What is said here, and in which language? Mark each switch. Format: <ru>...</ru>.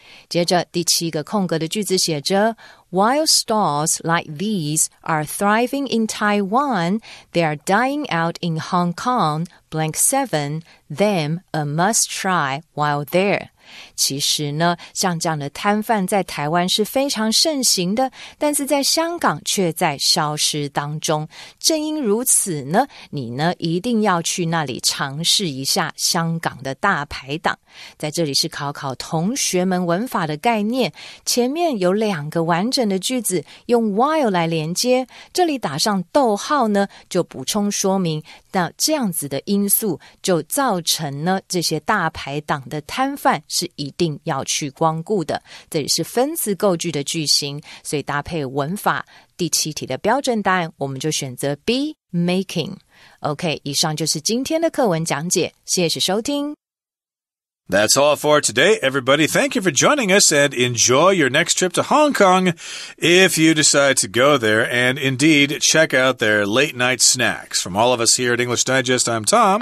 <zh>接着第七个空格的句子写着</zh> <en>While stalls like these are thriving in Taiwan, they are dying out in Hong Kong, blank seven, them a must try while there.</en> <zh>其实呢，像这样的摊贩在台湾是非常盛行的，但是在香港却在消失当中。正因如此呢，你呢一定要去那里尝试一下香港的大排档。在这里是考考同学们文法的概念，前面有两个完整的句子用 while 来连接，这里打上逗号呢就补充说明，那这样子的因素就造成呢这些大排档的摊贩是一定要去光顾的，这也是分词构句的句型，所以搭配文法，第七题的标准答案我们就选择 B making。 OK， 以上就是今天的课文讲解，谢谢收听。</zh> <en>That's all for today, everybody. Thank you for joining us and enjoy your next trip to Hong Kong if you decide to go there, and indeed check out their late night snacks. From all of us here at English Digest, I'm Tom.</en>